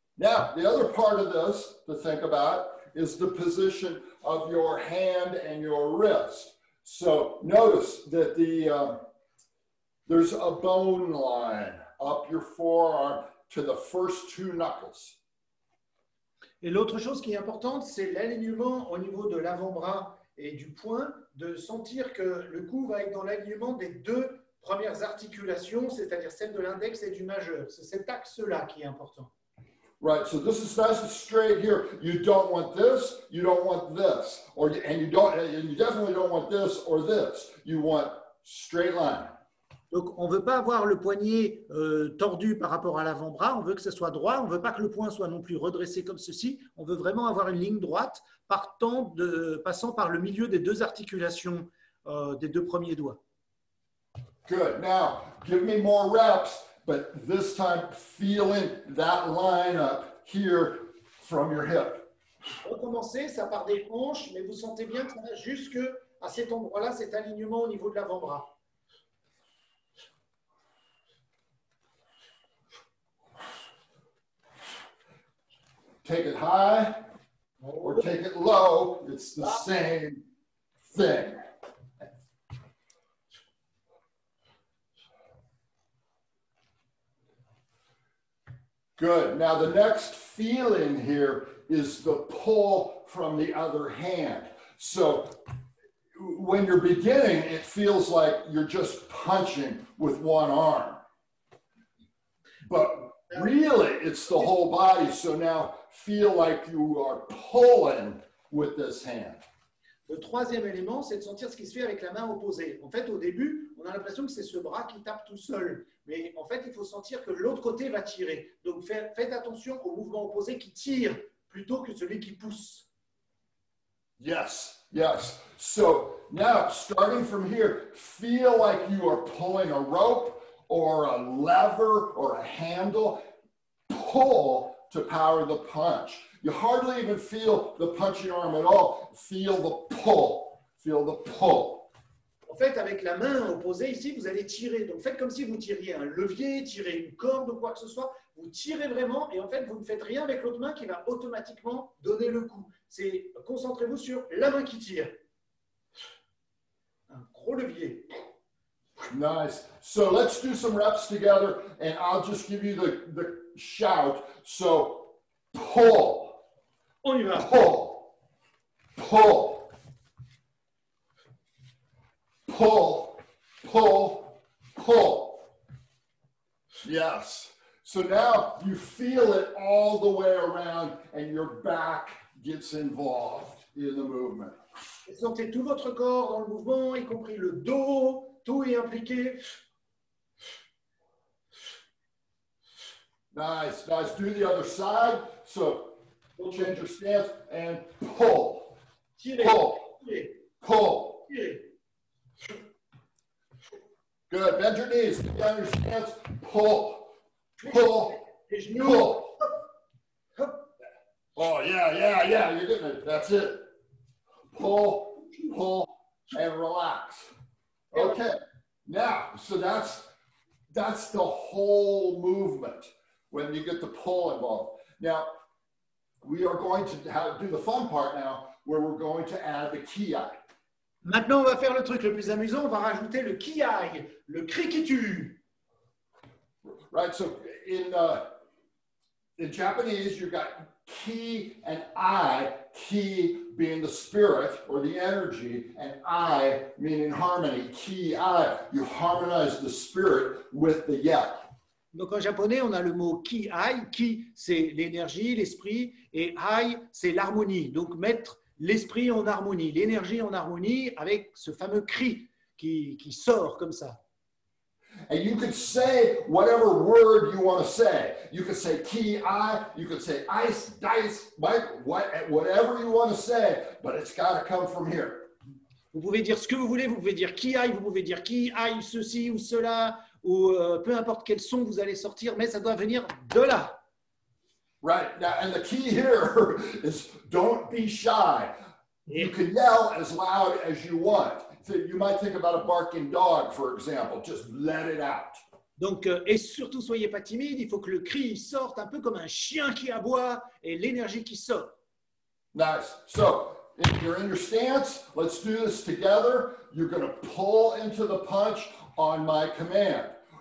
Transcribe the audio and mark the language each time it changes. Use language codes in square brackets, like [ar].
[en] Now, the other part of this to think about is the position of your hand and your wrist. So notice that there's a bone line up your forearm to the first two knuckles. [fr] Et l'autre chose qui est importante, c'est l'alignement au niveau de l'avant-bras et du poing, de sentir que le cou va être dans l'alignement des deux premières articulations, c'est-à-dire celle de l'index et du majeur. C'est cet axe-là qui est important. [en] Right, so this is nice and straight here. You don't want this, you don't want this. You definitely don't want this or this. You want straight line. [fr] Donc, on ne veut pas avoir le poignet tordu par rapport à l'avant-bras. On veut que ce soit droit. On ne veut pas que le poing soit non plus redressé comme ceci. On veut vraiment avoir une ligne droite passant par le milieu des deux articulations des deux premiers doigts. [en] Good. Now, give me more reps, but this time feeling that line up here from your hip. [fr] Recommencez, ça part des hanches, mais vous sentez bien que ça va jusque à cet endroit-là, cet alignement au niveau de l'avant-bras. [en] Take it high or take it low, it's the same thing. Good. Now the next feeling here is the pull from the other hand. So when you're beginning, it feels like you're just punching with one arm. But really, it's the whole body. So now feel like you are pulling with this hand. [fr] Le troisième élément, c'est de sentir ce qui se fait avec la main opposée. En fait, au début, on a l'impression que c'est ce bras qui tape tout seul. Mais en fait, il faut sentir que l'autre côté va tirer. Donc, faites attention au mouvement opposé qui tire plutôt que celui qui pousse. [en] Yes, yes. So, now, starting from here, feel like you are pulling a rope or a lever or a handle. Pull to power the punch. You hardly even feel the punching arm at all. Feel the pull. Feel the pull. [fr] En fait, avec la main opposée ici, vous allez tirer. Donc, faites comme si vous tiriez un levier, tirez une corde ou quoi que ce soit. Vous tirez vraiment et en fait, vous ne faites rien avec l'autre main qui va automatiquement donner le coup. C'est concentrez-vous sur la main qui tire. Un gros levier. [en] Nice. So, let's do some reps together and I'll just give you the shout. So, pull. [fr] On y va. [en] Pull. Pull. Pull, pull, pull. Yes. So now you feel it all the way around and your back gets involved in the movement. [fr] Sentez tout votre corps dans le mouvement, y compris le dos, tout est impliqué. [en] Nice, nice. Do the other side. So we'll change your stance and pull. [fr] Tirez. [en] Pull. [fr] Tirez. [en] Pull. [fr] Tirez. [en] Good. Bend your knees. Get down your stance. Pull. Pull. Pull. Oh, yeah, yeah, yeah. You're getting it. That's it. Pull. Pull. And relax. Okay. Now, so that's the whole movement when you get the pull involved. Now, we are going to do the fun part now where we're going to add the kiai. [fr] Maintenant, on va faire le truc le plus amusant. On va rajouter le kiai, le cri qui tue. [en] Right, so in Japanese, you've got ki and I, ki being the spirit or the energy, and I meaning harmony, ki, I. You harmonize the spirit with the yet. [fr] Donc en japonais, on a le mot ki, I. Ki, c'est l'énergie, l'esprit, et I, c'est l'harmonie. Donc mettre l'esprit en harmonie, l'énergie en harmonie avec ce fameux cri qui sort comme ça. [en] And you could say whatever word you want to say. You could say ki, I, you could say ice, dice, Mike, whatever you want to say, but it's got to come from here. [fr] Vous pouvez dire ce que vous pouvez dire ki, I, vous pouvez dire ki, I, ceci ou cela, ou peu importe quel son vous allez sortir, mais ça doit venir de là. [en] Right, now, and the key here is don't be shy. You can yell as loud as you want. You might think about a barking dog, for example. Just let it out. [fr] Donc, et surtout, soyez pas timide. Il faut que le cri sorte un peu comme un chien qui aboie et l'énergie qui sort. [en] Nice. So, if you're in your stance, let's do this together. You're going to pull into the punch on my command.